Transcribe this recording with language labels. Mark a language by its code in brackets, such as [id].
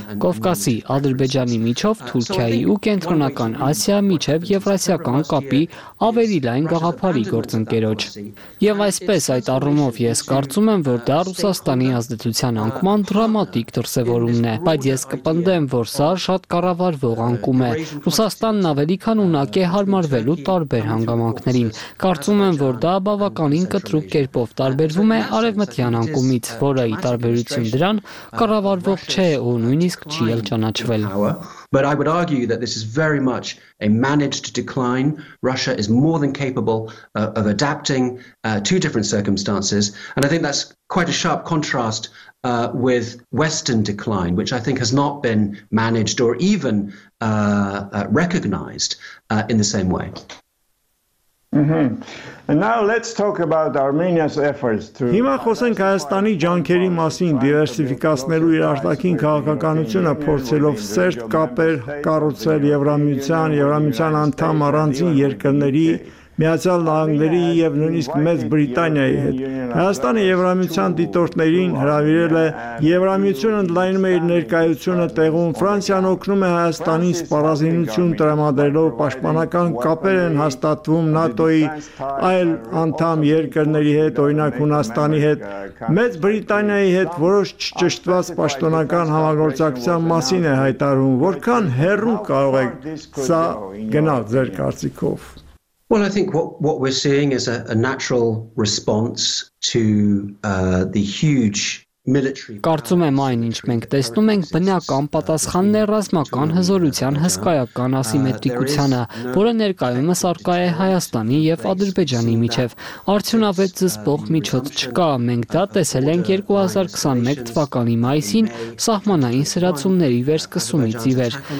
[hy] Կովկասի, Ադրբեջանի միջով Թուրքիայի ու Կենտրոնական Ասիա միջև Եվրասիական կապի ավելի լայն գաղափարի գործընկերոջ։ Եվ այսպես, այդ առումով ես կարծում եմ, որ դա Ռուսաստանի ազդեցության անկման դրամատիկ դրսևորումն է, բայց ես կպնդեմ, որ սա շատ կարևոր հնարավոր ողանկում է։ Ռուսաստանն ավելի քան ունակ է հարմարվելու տարբեր հանգամանքներին։ Կարծում եմ, որ դա բավականին կտրուկ կերպով տարբերվում է արևմտյան անկումից, որը ի տարբերություն դրան կառավարվող չէ ու նույնիսկ չի էլ ճանաչվել։ [en] But I would argue that this is very much a managed decline. Russia is more than capable of adapting to different circumstances. And I think that's quite a sharp contrast with Western decline, which I think has not been managed or even recognized in the same way. And now let's talk about Armenia's efforts to [hy] Հիմա խոսենք Հայաստանի ջանքերի մասին, դիվերսիֆիկացնելու իր արտաքին քաղաքականությունը, փորձելով սերտ կապեր կառուցել Եվրամիության, Եվրամիության անդամ առանձին երկրների, Միացյալ Նահանգների եւ նույնիսկ Մեծ Բրիտանիայի հետ։ Հայաստանը Եվրամիության դիտորդներին հրավիրել է Եվրամիությունը ընդլայնում է իր ներկայությունը տեղում, Ֆրանսիան օգնում է Հայաստանին սպառազինություն տրամադրելով, պաշտպանական կապեր են հաստատվում ՆԱՏՕ-ի այլ անդամ երկրների հետ, օրինակ Հունաստանի հետ, Մեծ Բրիտանիայի հետ որոշ չճշտված պաշտոնական համագործակցության մասին է հայտարարում։ Որքան հեռու կարող է սա գնալ ձեր կարծիքով։ [en] Well, I think what we're seeing is a natural response to the huge [hy] Կարծում եմ այն, ինչ մենք տեսնում ենք, բնական պատասխանն է ռազմական հզորության հսկայական ասիմետրիկությանը, որը ներկայումս առկա է Հայաստանի եւ Ադրբեջանի միջեւ։ Արդյունավետ զսպող միջոց չկա, մենք դա տեսել ենք 2021 թվականի մայիսին սահմանային սրացումների վերսկսումից ի վեր։